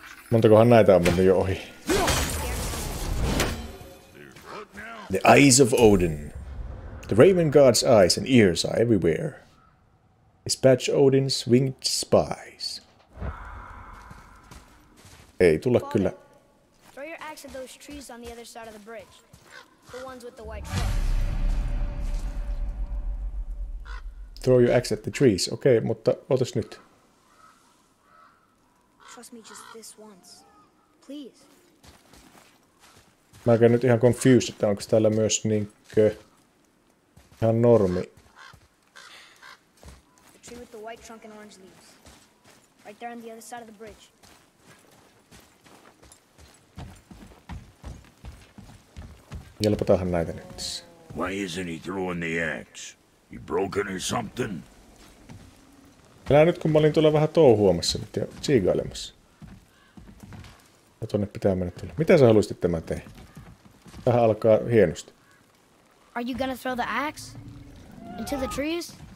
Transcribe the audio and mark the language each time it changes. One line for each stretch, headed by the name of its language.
Finnish: Montakohan näitä on mennyt jo ohi?
English: The eyes of Odin. The Raven God's eyes and ears are everywhere. Dispatch Odin's winged spies.
Finnish: Ei tulla kyllä.
English: Throw your axe at those trees on the other side of the bridge. The ones with the white trunks. Throw your axe at the trees.
Finnish: Okei, mutta otas nyt.
English: Trust me just this once. Please.
Finnish: Mä oon nyt ihan confused, että onko täällä myös niinkö ihan normi.
English: White trunk and orange leaves. Right there on the other side of the bridge.
Finnish: Jelpotahan näitä nyt.
English: Why isn't he throwing the axe? He broken or something?
Finnish: Älä nyt, kun mä olin tuolla vähän touhuamassa nyt ja tsiigailemassa. Ja tuonne pitää mennä tuolla. Mitä sä haluaisit, että mä teen? Tähän alkaa hienosti.
English: Are you gonna throw the axe? Into the trees?